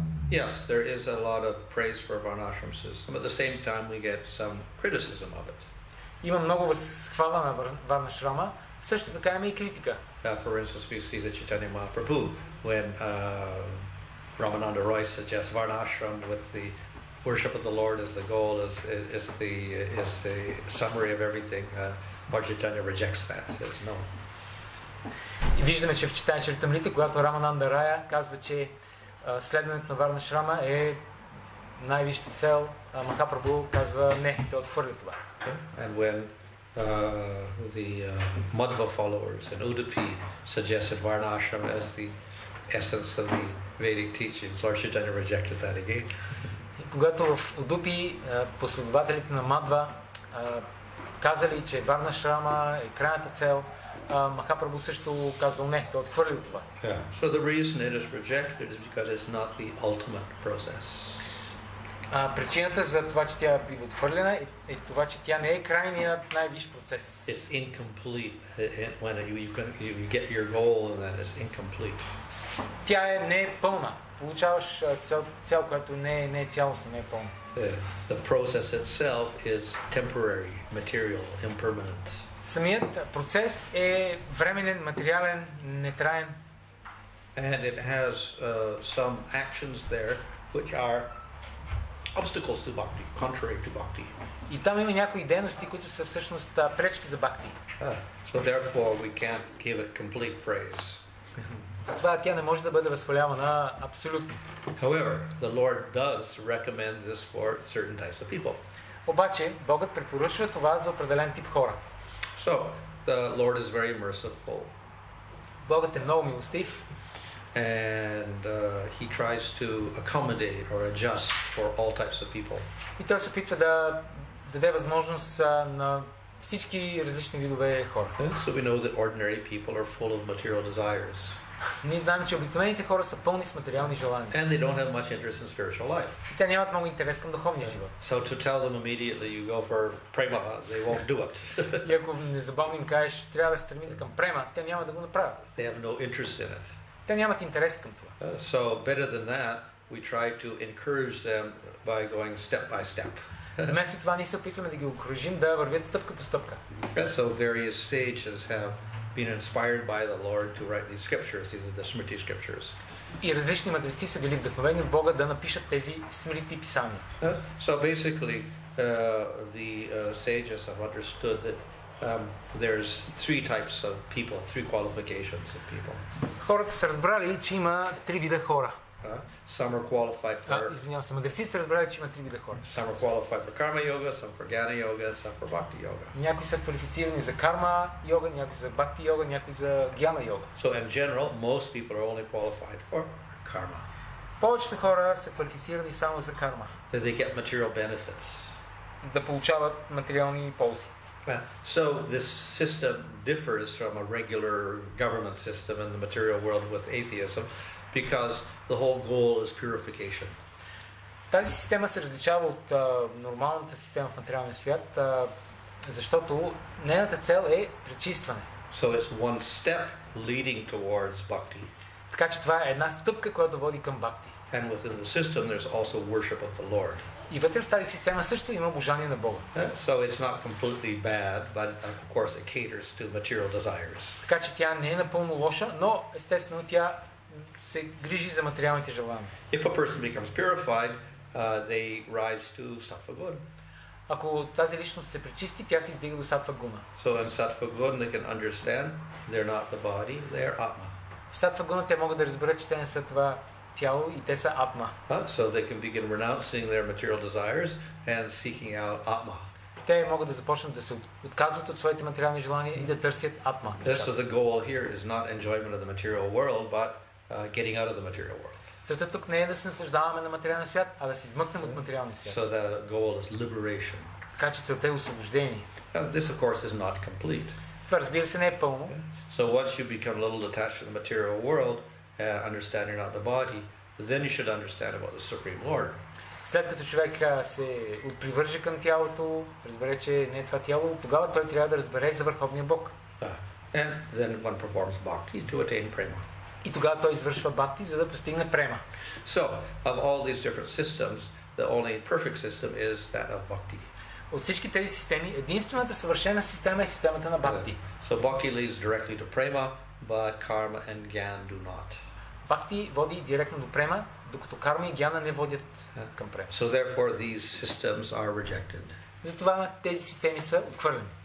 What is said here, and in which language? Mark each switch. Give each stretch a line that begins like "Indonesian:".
English: Yes, there is a lot of praise for varnashram system. At the same time, we get some criticism of it.
Bulgarian: Има много възхвала на варнашрама, също така има и критика.
English: For instance, we see the Chaitanya Mahaprabhu when Ramananda Roy suggests varnashram with the worship of the Lord as the goal is the summary of everything. Bhajitanya rejects that, says no.
Bulgarian: И виждаме, че в Читания Чаритамрита, когато Рамананда Рая казва, че следването на варнашрама е най-вища цел, Махапрабху казва не, те отхвърля това.
English: And when the Madhva followers and Udupi suggested varnashrama as the essence of the Vedic teachings, Lord Chaitanya rejected that again.
Bulgarian: И когато в Удупи последователите на Мадва казали, че варнашрама е крайната цел, Махапрабху също казал не, той отхвърли това.
English: Yeah. So the reason it is rejected is because it's not the ultimate process.
Bulgarian: Причината за това, че тя бива отхвърлена, е това, че тя не е крайният най-виш процес.
English: It's incomplete. When you get your goal and then it's incomplete.
Bulgarian: Тя не е пълна. Получаваш цел, която не е цялостна, не е пълна.
English: The process itself is temporary, material, impermanent.
Bulgarian: Самият процес е временен, материален, нетраен.
English: And it has some actions there which are obstacles to bhakti, contrary to bhakti.
Bulgarian: И там има някои дейности, които са всъщност пречки за бхакти.
English: So therefore we can't give it complete praise.
Bulgarian: Затова тя не може да бъде възхвалявана абсолютно.
English: However, the Lord does recommend this for certain types of people.
Bulgarian: Обаче, Богът препоръчва това за определен тип хора.
English: So, the Lord is very merciful.
Bulgarian: Богът е много милостив.
English: And he tries to accommodate or adjust for all types of people.
Bulgarian: И той се опитва да даде възможност на всички различни видове хора.
English: So we know that ordinary people are full of material desires.
Bulgarian: Ние знаем, че обикновените хора са пълни с материални желания.
English: And they don't have much interest in spiritual life.
Bulgarian: Те нямат много интерес към духовния живот.
English: So to tell them immediately you go for prema, they won't do it.
Bulgarian: И ако незабавно им кажеш, трябва да се стремите към према, те няма да го направят.
English: They have no interest in it.
Bulgarian: Те нямат интерес към това.
English: So better than that, we try to encourage them by going step by step.
Bulgarian: Вместо това ние се опитваме да ги окружим да вървят стъпка по стъпка.
English: So various sages have been inspired by the Lord to write these scriptures. These are the Smriti scriptures.
Bulgarian: И различни мъдреци са били вдъхновени от Бога да напишат тези Смрити писания.
English: So basically, the sages have understood that there's three types of people, three qualifications of people.
Bulgarian: Хората са разбрали, че има три вида хора.
English: Some are qualified for.
Bulgarian: Извинявам се, мъдреци са разбрали, че има три вида хора.
English: Some are qualified for karma yoga, some for jnana yoga, some for bhakti yoga.
Bulgarian: Някои са квалифицирани за карма йога, някои за бхакти йога, някои за джнана йога.
English: So in general, most people are only qualified for karma.
Bulgarian: Повечето хора са квалифицирани само за карма.
English: That they get material benefits.
Bulgarian: Да получават материални ползи.
English: So this system differs from a regular government system in the material world with atheism. Because the whole goal is purification.
Bulgarian: Тази система се различава от нормалната система в материалния свят, защото нейната цел е пречистване.
English: So it's one step leading towards bhakti.
Bulgarian: Така че това е една стъпка, която води към бхакти.
English: And within the system there's also worship of the Lord.
Bulgarian: И вътре в тази система също има обожание на Бога.
English: So it's not completely bad, but of course it caters to material desires.
Bulgarian: Така че тя не е напълно лоша, но естествено тя се грижи за материалните желания.
English: If a person becomes purified, they rise to sattva guna.
Bulgarian: Ако тази личност се пречисти, тя се издига до сатва гуна.
English: So in sattva guna they can understand they're not the body, they're atma.
Bulgarian: В сатва гуна те могат да разберат, че те не са това тяло и те са атма.
English: So they can begin renouncing their material desires and seeking out atma.
Bulgarian: Те могат да започнат да се отказват от своите материални желания и да търсят атма.
English: So the goal here is not enjoyment of the material world, but getting out of the material world.
Bulgarian: Целта тук не е да се наслаждаваме на материалния свят, а да се измъкнем от материалния свят.
English: So the goal is liberation.
Bulgarian: Така че целта е освобождение.
English: This of course is not complete.
Bulgarian: Това, разбира се, не е пълно.
English: So once you become a little detached from the material world, understand you're not the body, then you should understand about the Supreme Lord.
Bulgarian: След като човек се привържи към тялото, разбере, че не е това тяло, тогава той трябва да разбере за Върховния Бог.
English: And then one performs bhakti to attain prema.
Bulgarian: И тогава той извършва бхакти, за да постигне према.
English: So, of all these different systems, the only perfect system is that of bhakti.
Bulgarian: От всички тези системи, единствената съвършена система е системата на бхакти.
English: So, bhakti leads directly to prema, but karma and gyan do not.
Bulgarian: Бхакти води директно до према, докато карма и гяна не водят към према.
English: So, therefore, these systems are rejected.
Bulgarian: Затова тези системи са отхвърлени.